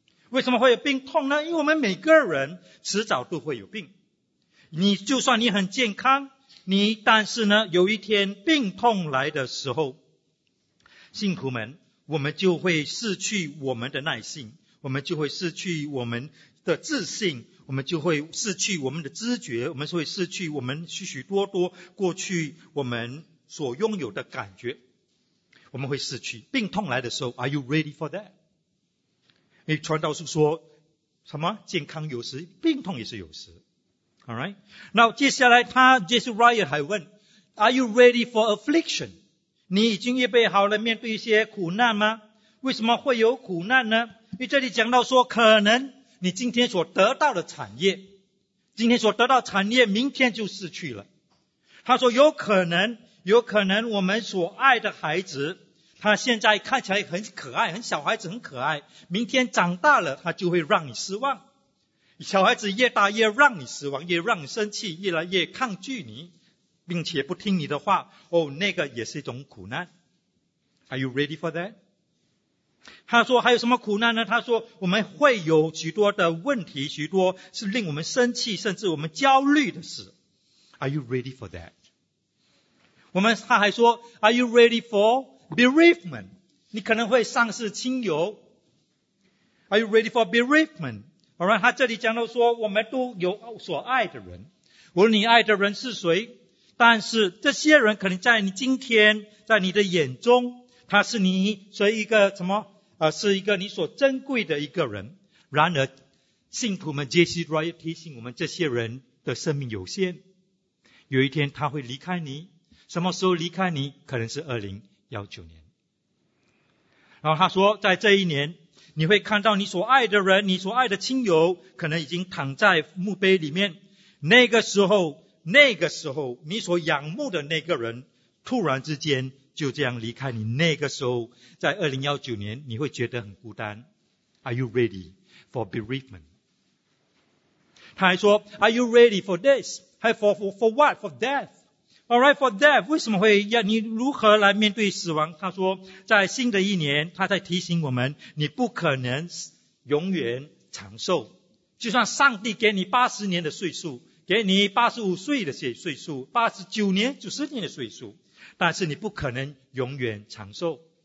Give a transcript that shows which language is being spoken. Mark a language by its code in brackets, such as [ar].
[zh] 为什么会有病痛呢？因为我们每个人迟早都会有病，你就算你很健康，你但是呢有一天病痛来的时候，信徒们，我们就会失去我们的耐心，我们就会失去我们的自信，我们就会失去我们的知觉，我们会失去我们许许多多过去我们所拥有的感觉，我们会失去。病痛来的时候 [en] Are you ready for that? [zh] 因为传道书说什么健康有时，病痛也是有时。 [en] Alright, [zh] 那接下来他 [en] Jesse Ryan [zh] 还问 [en] Are you ready for affliction? [zh] 你已经预备好了面对一些苦难吗？为什么会有苦难呢？因为这里讲到说，可能你今天所得到的产业，今天所得到产业明天就失去了。他说有可能，有可能我们所爱的孩子，他现在看起来很可爱，很小孩子很可爱，明天长大了他就会让你失望。小孩子越大越让你失望，越让你生气，越来越抗拒你，并且不听你的话，哦，那个也是一种苦难。 [en] Are you ready for that? [zh] 他说还有什么苦难呢？他说我们会有许多的问题，许多是令我们生气甚至我们焦虑的事。 [en] Are you ready for that? [zh] 我们他还说 [en] Are you ready for bereavement? [zh] 你可能会丧失亲友。 [en] Are you ready for bereavement? [zh] Alright, 他这里讲到说我们都有所爱的人，无论你爱的人是谁，但是这些人可能在你今天在你的眼中他是你是一个什么是一个你所珍贵的一个人，然而信徒们 Jesse Ryan 提醒我们，这些人的生命有限，有一天他会离开你，什么时候离开你？可能是2019年。然后他说在这一年你会看到你所爱的人，你所爱的亲友可能已经躺在墓碑里面，那个时候，那个时候你所仰慕的那个人突然之间就这样离开你，那个时候在2019年你会觉得很孤单。 [en] Are you ready for bereavement? [zh] 他还说 [en] Are you ready for this? For what? For death? Alright, for death, [zh] 为什么会要你如何来面对死亡？他说在新的一年他在提醒我们，你不可能永远长寿，就算上帝给你80年的岁数，给你85岁的岁数，89年、90年的岁数，但是你不可能永远长寿。